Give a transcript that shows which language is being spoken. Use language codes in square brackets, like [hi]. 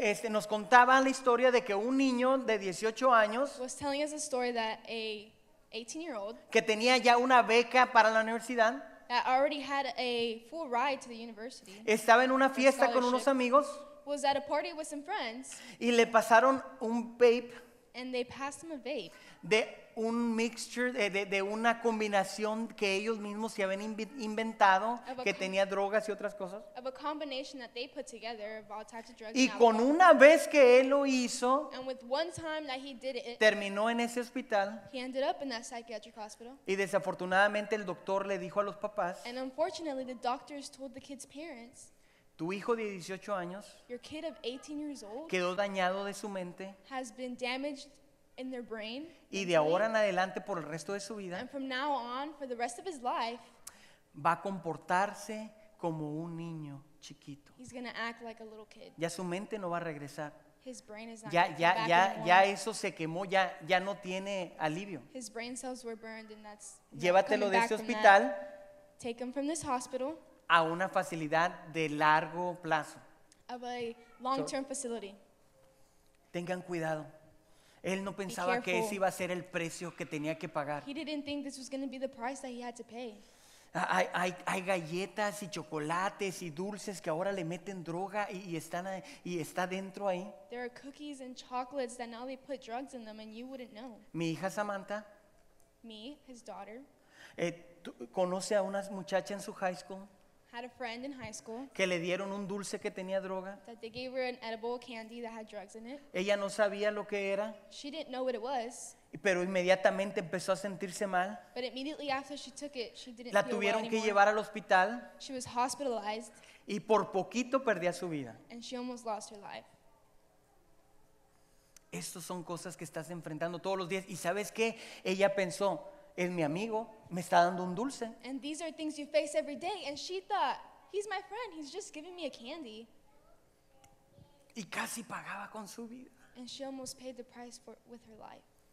[es] Nos contaba la historia de que un niño de 18 años [en] was telling us a story that a 18-year-old [es] que tenía ya una beca para la universidad, [en] that already had a full ride to the university, [es] estaba en una fiesta con unos amigos, [en] was at a party with some friends, [es] y le pasaron un vape. [en] And they passed him a vape. [es] De un mixture, de una combinación que ellos mismos se habían inventado, que tenía drogas y otras cosas. [en] Of a combination that they put together of all types of drugs. [es] Y con una vez que él lo hizo, [en] and with one time that he did it, [es] terminó en ese hospital. [en] He ended up in that psychiatric hospital. [es] Y desafortunadamente el doctor le dijo a los papás, [en] and unfortunately the doctors told the kids' parents, [es] tu hijo de 18 años, [en] your kid of 18 years old, [es] quedó dañado de su mente, [en] has been damaged in their brain, [es] y de ahora en adelante por el resto de su vida, [en] and from now on for the rest of his life, [es] va a comportarse como un niño chiquito. [en] He's gonna act like a little kid. [es] Ya su mente no va a regresar. [en] His brain is not [es] ya eso se quemó, ya no tiene alivio. [en] His brain cells were burned and that's [es] llévatelo de ese hospital. [en] Take him from this hospital. [es] A una facilidad de largo plazo. [en] Of a long-term facility. [es] Tengan cuidado. Él no pensaba que ese iba a ser el precio que tenía que pagar. [en] He didn't think this was going to be the price that he had to pay. [es] Hay galletas y chocolates y dulces que ahora le meten droga y está dentro ahí. [en] There are cookies and chocolates that now they put drugs in them and you wouldn't know. [es] Mi hija Samantha. [en] Me, his daughter. [es] Conoce a una muchacha en su high school. [en] Had a friend in high school, [es] que le dieron un dulce que tenía droga. [en] That they gave her an edible candy that had drugs in it. [es] Ella no sabía lo que era. [en] She didn't know what it was. [es] Pero inmediatamente empezó a sentirse mal. [en] But immediately after she took it, she didn't feel [es] well. La tuvieron que llevar al hospital. [en] She was hospitalized. [es] Y por poquito perdía su vida. [en] And she almost lost her life. [es] Estos son cosas que estás enfrentando todos los días. ¿Y sabes qué? Ella pensó, es mi amigo, me está dando un dulce. [en] And these are things you face every day. And she thought, he's my friend, he's just giving me a candy. [es] Y casi pagaba con su vida. [en] And she almost paid the price with her life.